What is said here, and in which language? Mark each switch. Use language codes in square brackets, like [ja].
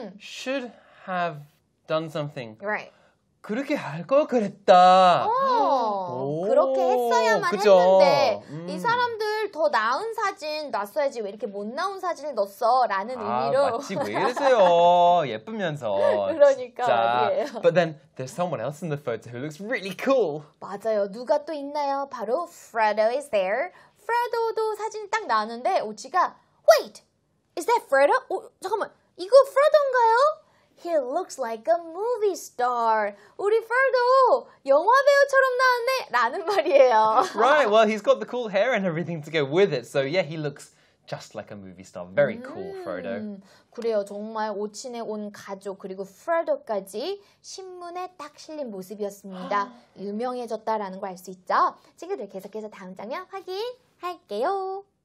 [en] Should have done something. Right. [ko] 그렇게 할 걸 그랬다. 그렇게 했어야만 그쵸? 했는데 이 사람들 더 나은 사진 놨어야지 왜 이렇게 못 나온 사진을 넣었어? 라는 의미로 마치 왜 이러세요? 예쁘면서 그러니까 [en] But then there's someone else in the photo who looks really cool. [ko] 맞아요. 누가 또 있나요? 바로 [en] Frodo is there. [ko] Frodo도 사진이 딱 나왔는데 오치가 [en] Wait! Is that Frodo? [ko] 잠깐만 이거 Frodo인가요? [en] He looks like a movie star. [ko] 우리 Frodo 영화 배우처럼 나왔네 라는 말이에요. [en] Right, well, he's got the cool hair and everything to go with it. So yeah, he looks just like a movie star. Very cool, Frodo. [ko] 그래요, 정말 오친의 온 가족 그리고 Frodo까지 신문에 딱 실린 모습이었습니다. 유명해졌다라는 걸 알 수 있죠? 친구들 계속해서 다음 장면 확인할게요.